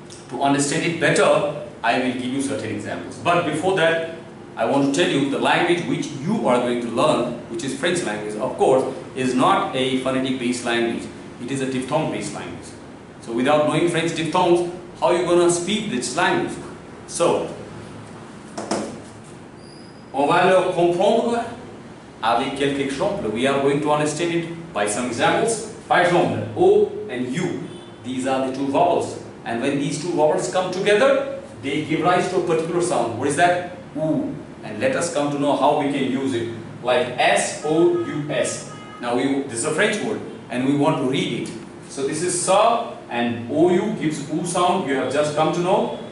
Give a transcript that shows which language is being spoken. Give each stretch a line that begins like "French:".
English: To understand it better, I will give you certain examples. But before that, I want to tell you the language which you are going to learn, which is French language, of course, is not a phonetic based language. It is a diphthong based language. So without knowing French diphthongs, how are you going to speak this language?
French: So, on va le comprendre avec quelques exemples.
English: We are going to understand it by some examples.
French: Par exemple,
English: O and U, these are the two vowels. And when these two vowels come together, they give rise to a particular sound. What is that? O. And let us come to know how we can use it. Like S, O, U, S. Now, this is a French word and we want to read it. So this is S and O, U gives O sound, you have just come to know.